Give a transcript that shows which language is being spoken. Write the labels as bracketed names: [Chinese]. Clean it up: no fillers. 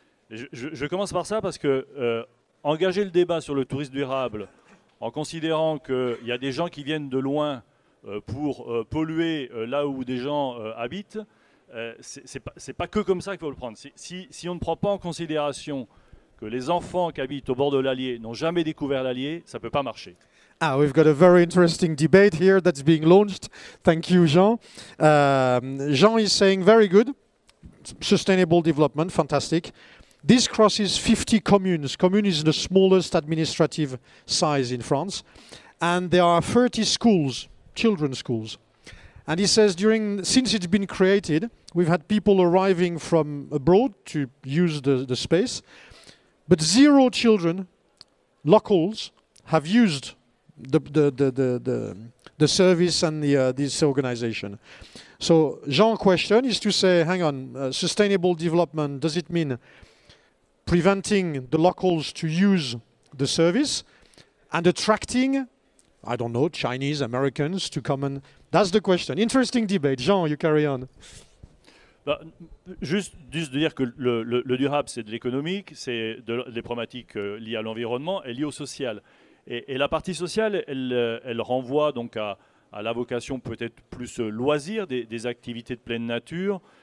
[French] Je commence par ça parce que engager le débat sur le tourisme durable en considérant qu'il y a des gens qui viennent de loin pour polluer là où des gens habitent, c'est pas que comme ça qu'il faut le prendre. Si on ne prend pas en considération que les enfants qui habitent au bord de l'Allier n'ont jamais découvert l'Allier, ça peut pas marcher. [English] Ah, we've got a very interesting debate here that's being launched. Thank you, Jean. Jean is saying very good, sustainable development, fantastic. This crosses 50 communes. Commune is the smallest administrative size in France. And there are 30 schools, children's schools. And he says, since it's been created, we've had people arriving from abroad to use the space. But zero children, locals, have used the service and this organization. So Jean's question is to say, hang on, sustainable development, does it mean preventing the locals to use the service and attracting, I don't know, Chinese, Americans to come and... That's the question. Interesting debate. Jean, you carry on. [French] Juste de dire que le durable, c'est de l'économique, c'est des problématiques liées à l'environnement et liées au social. Et la partie sociale, elle renvoie donc à la vocation peut-être plus loisir des activités de pleine nature.